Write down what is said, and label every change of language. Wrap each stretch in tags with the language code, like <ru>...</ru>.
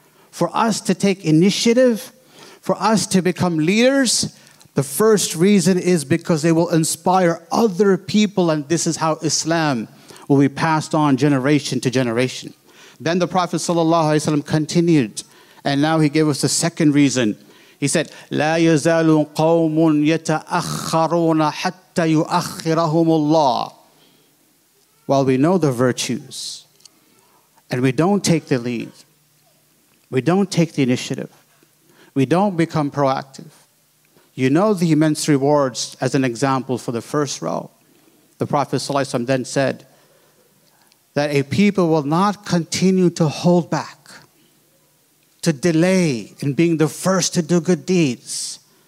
<en>For us to take initiative, for us to become leaders, the first reason is because they will inspire other people, and this is how Islam will be passed on generation to generation. Then the Prophet sallallahu alaihi wasallam continued, and now he gave us the second reason. He said,</en> <ar>لَا يَزَالُ قَوْمٌ يَتَأَخَّرُونَ حَتَّى يُؤَخِّرَهُمُ اللَّهِ.</ar> <en>While we know the virtues, and we don't take the lead, we don't take the initiative, we don't become proactive, you know the immense rewards as an example for the first row. The Prophet sallallahu alaihi wasallam then said that a people will not continue to hold back, to delay in being the first to do good deeds.</en>